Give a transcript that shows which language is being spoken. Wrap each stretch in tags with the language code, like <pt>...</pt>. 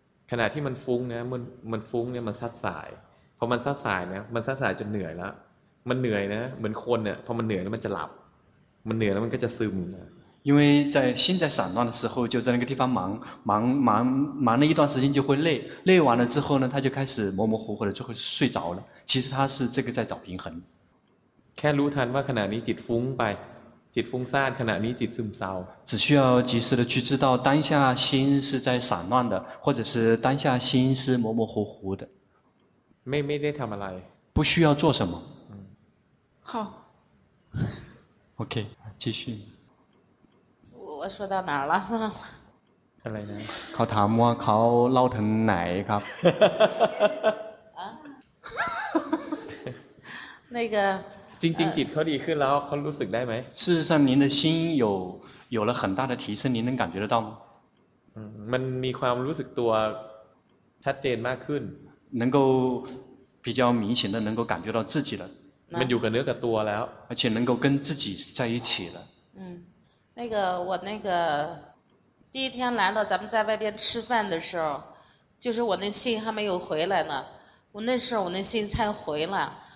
<th>ขณะที่มันฟุ้งเนี่ยมันฟุ้งเนี่ยมันซัดสายพอมันซัดสายเนี่ยมันซัดสายจนเหนื่อยแล้วมันเหนื่อยนะเหมือนคนเนี่ยพอมันเหนื่อยแล้วมันจะหลับมันเหนื่อยแล้วมันก็จะซึมนะ</th> <zh>因为在心在散乱的时候就在那个地方忙了一段时间就会累完了之后呢他就开始模模糊糊的就会睡着了其实他是这个在找平衡</zh> <th>แค่รู้ทันว่าขณะนี้จิตฟุ้งไปจิตฟุ้งซ่านขณะนี้จิตซึมเศร้า</th> <zh>只需要及时的去知道当下心是在散乱的或者是当下心是模模糊糊的</zh> <th>ไม่ได้ทำอะไร</th> <zh>不需要做什么好 OK 继续我说到哪儿了</zh> <th>อะไรนะ เขาถามว่าเขาเล่าถึงไหนครับ</th> <zh>那个</zh> <th>จริงจิตเขาดีขึ้นแล้วเขารู้สึกได้ไหม</th> <zh>事实上您的心有了很大的提升您能感觉得到吗</zh> <th>มันมีความรู้สึกตัวชัดเจนมากขึ้น</th> <zh>能够比较明显的能够感觉到自己的</zh> <th>มันอยู่กับเนื้อกับตัวแล้ว</th> <zh>而且能够跟自己在一起了那个我那个第一天来了咱们在外边吃饭的时候就是我那心还没有回来呢我那时候我那心才回来</zh>